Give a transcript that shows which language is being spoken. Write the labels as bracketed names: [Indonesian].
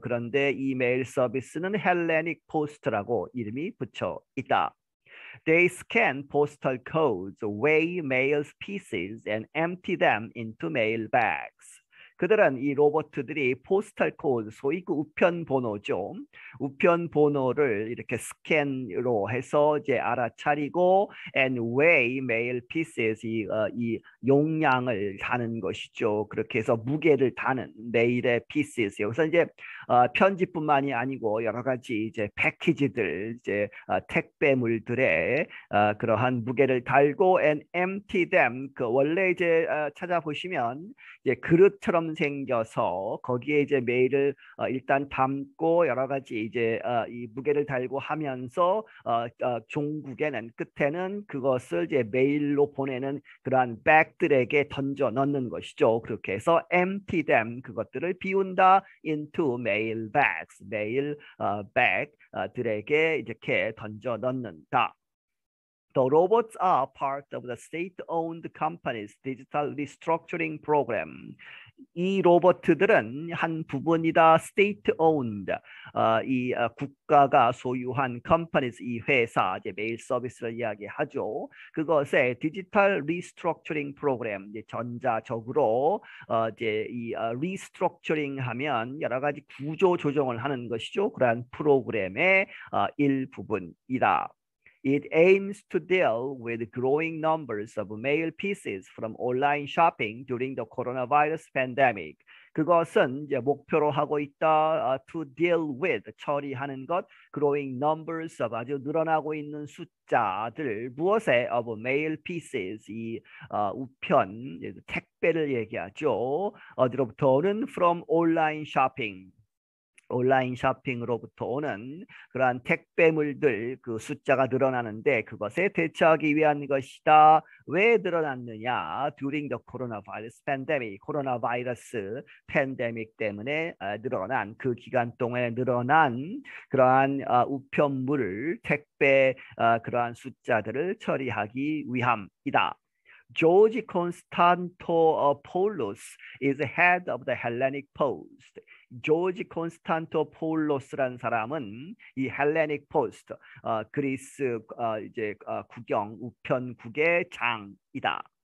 [Korean] 그런데 이메일 서비스는 헬레닉 포스트라고 이름이 붙여 있다. [English] They scan postal codes, weigh mail pieces, and empty them into mail bags. [Korean] 그들은 이 로봇들이 포스탈 코드, 소위 그 우편 번호죠. 우편 번호를 이렇게 스캔으로 해서 이제 알아차리고 [English] and weigh mail pieces [Korean] 이 용량을 다는 것이죠. 그렇게 해서 무게를 다는 메일의 pieces. 여기서 이제 편지뿐만이 아니고 여러 가지 이제 패키지들, 이제 택배물들의 그러한 무게를 달고 [English] and empty them. [Korean] 그 원래 이제 찾아보시면 이제 그릇처럼 생겨서 거기에 이제 메일을 일단 담고 여러 가지 이제 이 무게를 달고 하면서 종국에는 끝에는 그것을 이제 메일로 보내는 그러한 백들에게 던져 넣는 것이죠. 그렇게 해서 [English] empty them [Korean] 그것들을 비운다 [English] into mail. [Korean] bags, mail bag 들에게 이렇게 던져 넣는다. [English] The robots are part of the state-owned company's digital restructuring program. [Korean] 이 로봇들은 한 부분이다. State-owned 이 국가가 소유한 companies 이 회사 이제 메일 서비스를 이야기하죠. 그것의 디지털 리스트럭처링 프로그램 이제 전자적으로 이제 이 리스트럭처링 하면 여러 가지 구조 조정을 하는 것이죠. 그러한 프로그램의 일부분이다. [English] It aims to deal with growing numbers of mail pieces from online shopping during the coronavirus pandemic. [Korean] 그것은 이제 목표로 하고 있다. [English] To deal with [Korean] 처리하는 것, [English] growing numbers of [Korean] 아주 늘어나고 있는 숫자들 무엇에 [English] of mail pieces [Korean] 이 우편 택배를 얘기하죠. 어디로부터는 [English] from online shopping. [Korean] 온라인 쇼핑으로부터 오는 그러한 택배물들 그 숫자가 늘어나는데 그것에 대처하기 위한 것이다. 왜 늘어났느냐? [English] During the coronavirus pandemic, [Korean] 코로나 바이러스 팬데믹 때문에 늘어난 그 기간 동안에 늘어난 그러한 우편물 택배 그러한 숫자들을 처리하기 위함이다. [English] George Constantopoulos is head of the Hellenic Post. [Korean] 조지 콘스탄토폴로스라는 사람은 이 헬레닉 포스트, 그리스 이제 국영 우편국의 장이다.